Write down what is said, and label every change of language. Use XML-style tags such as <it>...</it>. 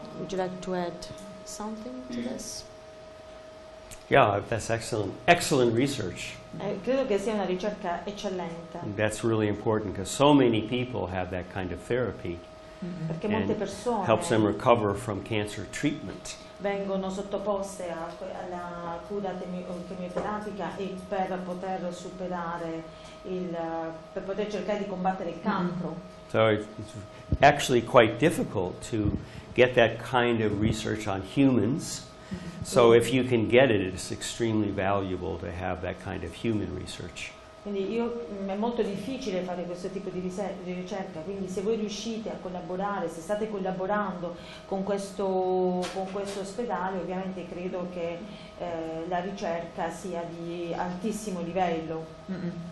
<en>Would you like to add something to this? Yeah, that's excellent. Excellent research.</en> <it>Credo che sia una ricerca eccellente.</it> <en>That's really important because so many people have that kind of therapy.</en> <it>Mm-hmm. Perché molte persone</it> <en>helps them recover from cancer treatment.</en> <it>Vengono sottoposte alla cura chemioterapica e per poter superare per poter cercare di combattere il cancro. Mm-hmm.</it> <en>So it's actually quite difficult to get that kind of research on humans. So if you can get it, it's extremely valuable to have that kind of human research.</en> <it>Quindi io è molto difficile fare questo tipo di ricerca, quindi se voi riuscite a collaborare, se state collaborando con questo ospedale, ovviamente credo che la ricerca sia di altissimo livello. Mm-mm.</it>